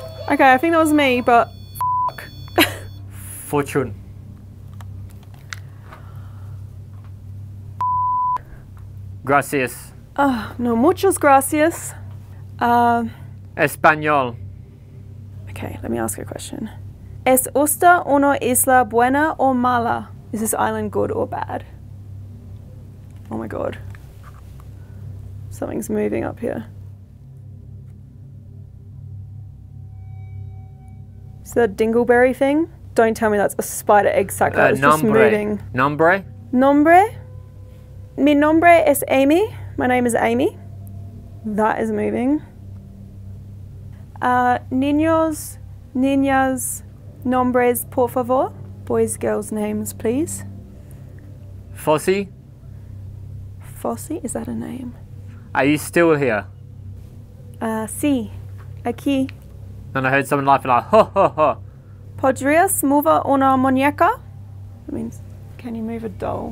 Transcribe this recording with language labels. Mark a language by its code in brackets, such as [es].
[en] Okay, I think that was me, but fuck. Fortune. [es] Gracias. No muchas gracias. Español. [en] Okay, let me ask a question. [es] ¿Es usted una isla buena o mala? [en] Is this island good or bad? Oh my God. Something's moving up here. Is that a dingleberry thing? Don't tell me that's a spider egg sucker. It's [es] nombre. [en] Just moving. [es] Nombre? Nombre? Mi nombre es Amy. [en] My name is Amy. That is moving. [es] Niños, niñas, nombres, por favor. [en] Boys, girls, names, please. Fossi? Fossi? Is that a name? Are you still here? [es] Sí. Aquí. [en] Then I heard someone laughing like, ho, ho, ho. [es] ¿Podrías mover una muñeca? [en] That means, can you move a doll?